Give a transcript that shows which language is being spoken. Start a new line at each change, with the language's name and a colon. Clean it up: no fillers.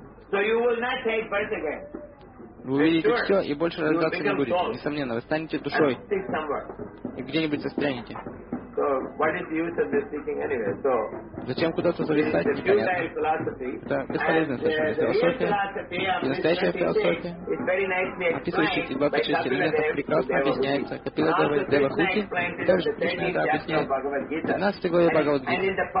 English: So you will not take birth again.
Russian: Вы увидите все, и больше рождаться не будете. Несомненно, вы станете душой. И где-нибудь застрянете.
English: So what is the use of this thinking anyway? So,
Russian: зачем куда-то зависать, непонятно. Это бесполезно, совершенно философия. И настоящая философия, описывающая себя по чести или нет, прекрасно объясняется. Капила Девахути, и также Кришна это объясняет. 15 главе Бхагавад-гиты.